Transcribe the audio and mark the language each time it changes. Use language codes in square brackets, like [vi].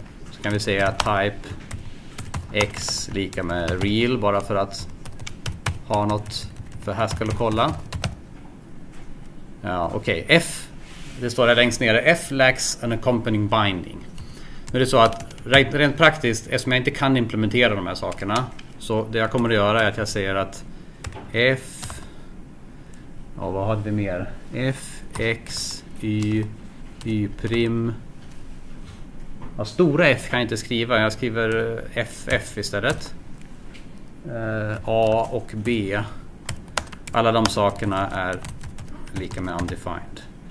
[sv] Så kan vi säga type x lika med real bara för att ha något för här ska du kolla. Ja, okej. Okay. F, det står där längst ner. [en] F lacks an accompanying binding. [sv] Nu är det så att rent praktiskt, eftersom jag inte kan implementera de här sakerna, så det jag kommer att göra är att jag säger att f, ja vad hade vi mer, f, x, y, y prim, ja, stora f kan jag inte skriva, jag skriver f, f istället, a och b, alla de sakerna är lika med undefined.